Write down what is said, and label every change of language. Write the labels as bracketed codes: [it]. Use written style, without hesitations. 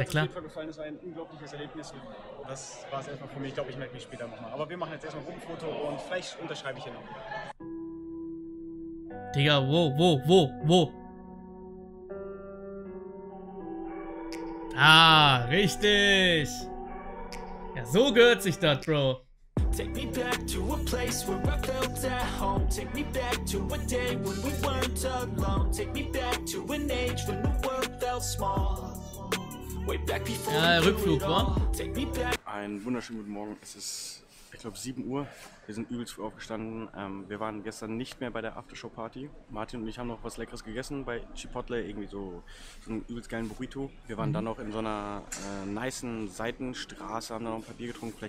[de] hat es auf jeden Fall gefallen. Es war ein unglaubliches Erlebnis. Das war es erstmal für mich. Ich glaube, ich melde mich später nochmal. Aber wir machen jetzt erstmal ein Gruppenfoto und vielleicht unterschreibe ich hier noch. Digga, wo? Ah, richtig! Ja, so gehört sich das, Bro. [en] Take me back to a place where I felt at home. Take me back to a day when we weren't alone. Take me back to an age when the world felt small. Way back before. [de] Ja, Rückflug, wa? [en] Take me back. [de] Einen wunderschönen guten Morgen. Es ist, ich glaube, 7 Uhr. Wir sind übelst früh aufgestanden. Wir waren gestern nicht mehr bei der Aftershow-Party. Martin und ich haben noch was Leckeres gegessen bei Chipotle, irgendwie so einen übelst geilen Burrito. Wir waren dann noch in so einer nicen Seitenstraße, haben da noch ein paar Bier getrunken.